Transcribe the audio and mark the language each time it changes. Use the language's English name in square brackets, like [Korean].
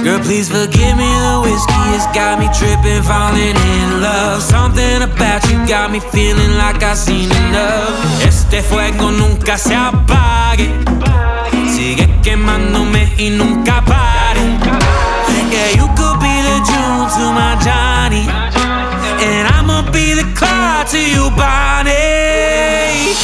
[English] Please forgive me, the whiskey has got me tripping, falling in love. Something about you got me feeling like I've seen enough. [Spanish] Este fuego nunca se apague, sigue quemándome y nunca pare. [English] Yeah, you could be the June to my Johnny, and I'ma be the cloud to you, Bonnie.